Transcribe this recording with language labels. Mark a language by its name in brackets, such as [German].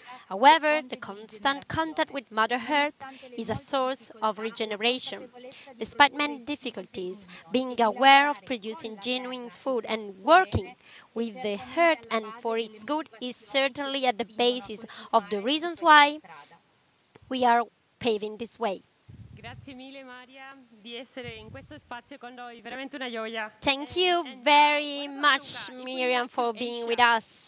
[English] However, the constant contact with Mother Earth is a source of regeneration. Despite many difficulties, being aware of producing genuine food and working with the Earth and for its good is certainly at the basis of the reasons why we are paving this way. [Italian] Grazie mille, Maria, di essere in questo spazio con noi. Veramente una gioia. [English] Thank you very much, Miriam, for being with us.